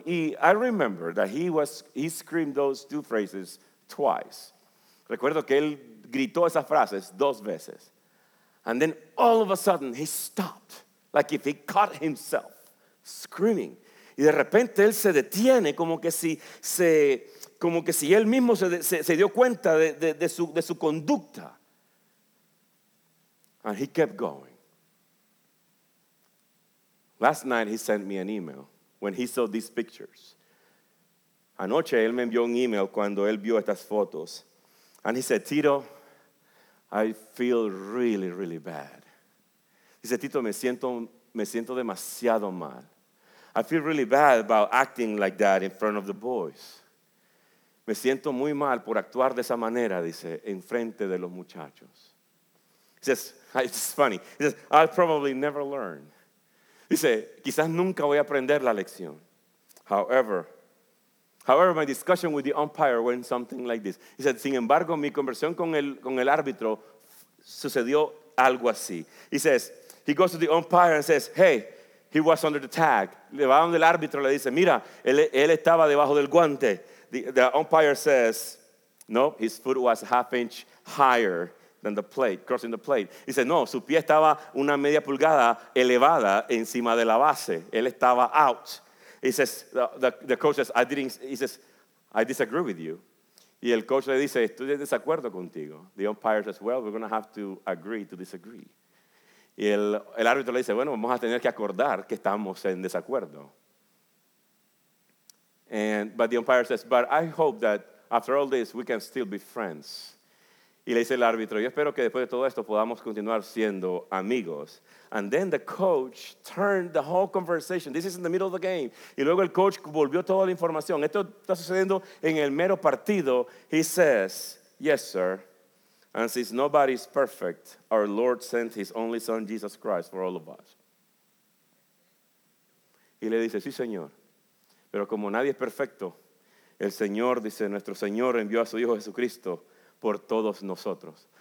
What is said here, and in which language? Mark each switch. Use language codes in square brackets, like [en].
[en] Y I remember that he screamed those two phrases twice. [es] Recuerdo que él gritó esas frases dos veces. [en] And then all of a sudden he stopped. Like if he caught himself screaming. [es] Y de repente él se detiene como que si él mismo se dio cuenta de su conducta. [en] And he kept going. Last night he sent me an email when he saw these pictures. [es] Anoche él me envió un email cuando él vio estas fotos. [en] And he said, Tito, I feel really, really bad. He said, Tito, [es] me siento demasiado mal. [en] I feel really bad about acting like that in front of the boys. [es] Me siento muy mal por actuar de esa manera, dice, en frente de los muchachos. [en] He says, it's funny. He says, I'll probably never learn. [es] Dice, quizás nunca voy a aprender la lección. [en] However, However, my discussion with the umpire went something like this. He said, [es] sin embargo, mi conversión con el árbitro sucedió algo así. [en] He says, he goes to the umpire and says, hey, he was under the tag. [es] Le va donde el árbitro, le dice, mira, él estaba debajo del guante. [en] The umpire says, no, his foot was half inch higher than the plate, crossing the plate. He said, [es] no, su pie estaba una media pulgada elevada encima de la base. Él estaba out. [en] He says, the coach says, I disagree with you. [es] Y el coach le dice, estoy en desacuerdo contigo. [en] The umpire says, well, we're going to have to agree to disagree. [es] Y el árbitro le dice, bueno, vamos a tener que acordar que estamos en desacuerdo. [en] But the umpire says, but I hope that after all this, we can still be friends. [es] Y le dice el árbitro, yo espero que después de todo esto podamos continuar siendo amigos. [en] And then the coach turned the whole conversation. This is in the middle of the game. [es] Y luego el coach volvió toda la información. Esto está sucediendo en el mero partido. [en] He says, yes, sir. And since nobody is perfect, our Lord sent his only son, Jesus Christ, for all of us. [es] Y le dice, sí, señor. Pero como nadie es perfecto, el Señor, dice, nuestro Señor envió a su Hijo Jesucristo por todos nosotros.